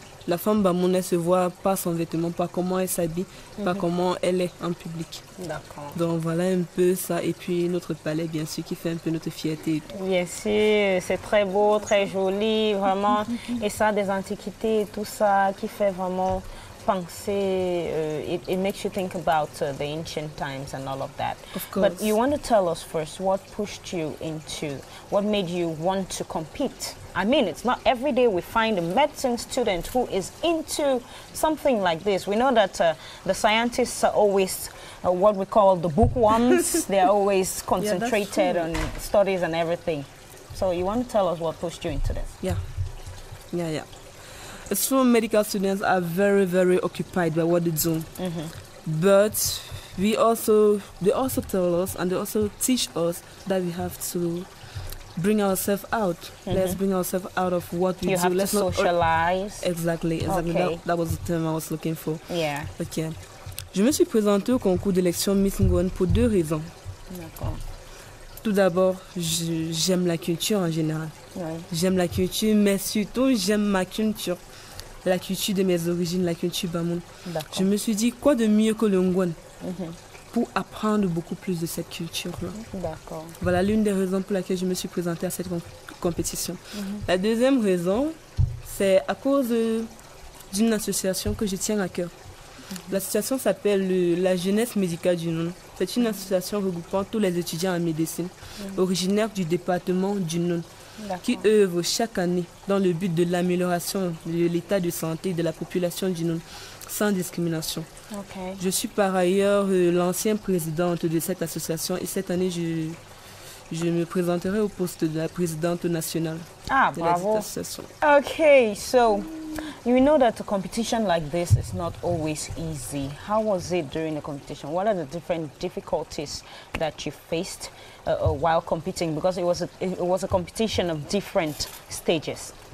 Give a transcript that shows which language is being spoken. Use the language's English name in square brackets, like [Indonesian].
[French] La femme Bamoun, elle se voit pas son vêtement, pas comment elle s'habille, mm-hmm. pas comment elle est en public. D'accord. Donc voilà un peu ça. Et puis notre palais, bien sûr, qui fait un peu notre fierté. Et tout. Bien sûr, c'est très beau, très joli, vraiment. Et ça, des antiquités, tout ça, qui fait vraiment penser. [English] It makes you think about the ancient times and all of that. Of course. But you want to tell us first, what pushed you into, what made you want to compete? I mean, it's not every day we find a medicine student who is into something like this. We know that the scientists are always what we call the bookworms. They are always concentrated on studies and everything. So you want to tell us what pushed you into this? Yeah. So medical students are very, very occupied by what they do. Mm-hmm. But they also tell us and they also teach us that we have to bring ourselves out. Mm-hmm. Let's bring ourselves out of what we do. Let's not socialize. Exactly. Okay. That was the term I was looking for. Yeah. Okay. [French] Je me suis présentée au concours d'élection Miss Nguyen pour deux raisons. D'accord. Tout d'abord, j'aime la culture en général. Oui. J'aime la culture, mais surtout, j'aime ma culture. La culture de mes origines, la culture Bamoun. D'accord. Je me suis dit, quoi de mieux que le Nguyen? Mm-hmm. Pour apprendre beaucoup plus de cette culture-là. D'accord. Voilà l'une des raisons pour laquelle je me suis présentée à cette compétition. Mm-hmm. La deuxième raison, c'est à cause d'une association que je tiens à cœur. Mm-hmm. L'association s'appelle la Jeunesse Médicale du Nord. C'est une association regroupant tous les étudiants en médecine, mm-hmm. originaires du département du Nord, qui œuvrent chaque année dans le but de l'amélioration de l'état de santé de la population du Nord. Sans discrimination. [English] Okay. [French] Je suis par ailleurs l'ancienne présidente de cette association et cette année, je me présenterai au poste de la présidente nationale de bravo. Cette association. [English] Okay, so you know that a competition like this is not always easy. How was it during the competition? What are the different difficulties that you faced while competing? Because it was a competition of different stages.